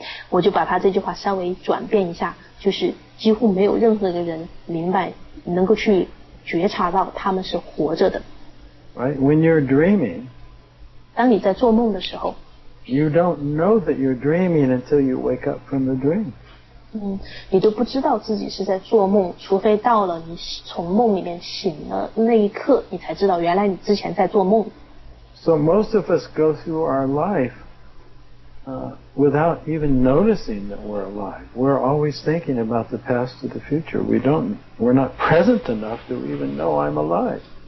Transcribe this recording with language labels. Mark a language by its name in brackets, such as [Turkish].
[Chinese] 我就把他这句话稍微转变一下，就是几乎没有任何的人明白，能够去觉察到他们是活着的。 [English] Right? When you're dreaming, [Chinese] 当你在做梦的时候 [English] you don't know that you're dreaming until you wake up from the dream. [Chinese] 你都不知道自己是在做梦，除非到了你从梦里面醒了那一刻，你才知道原来你之前在做梦。 [English] So most of us go through our life without even noticing that we're alive. We're always thinking about the past or the future. We're not present enough to even know I'm alive.